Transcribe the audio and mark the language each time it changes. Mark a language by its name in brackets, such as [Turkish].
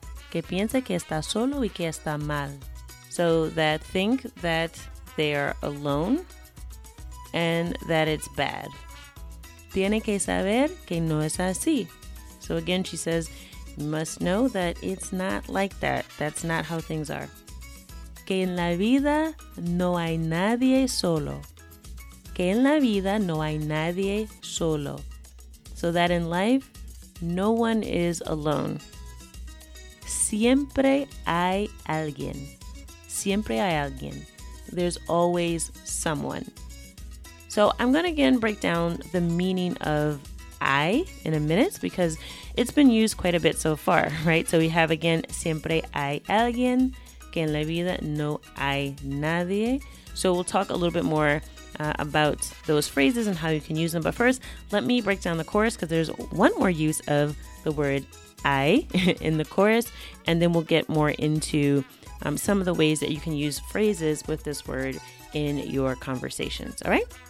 [Spanish] Que piense que está solo y que está mal. [English] So that think that they are alone and that it's bad. [Spanish] Tiene que saber que no es así. [English] So again, she says, you must know that it's not like that. That's not how things are. [Spanish] Que en la vida no hay nadie solo. Que en la vida no hay nadie solo. [English] So that in life, no one is alone. [Spanish] Siempre hay alguien. Siempre hay alguien. [English] There's always someone. So I'm going to again break down the meaning of I in a minute because it's been used quite a bit so far, right? So we have again, [Spanish] siempre hay alguien, que en la vida no hay nadie. [English] So we'll talk a little bit more about those phrases and how you can use them. But first, let me break down the chorus because there's one more use of the word I in the chorus. And then we'll get more into some of the ways that you can use phrases with this word in your conversations, all right?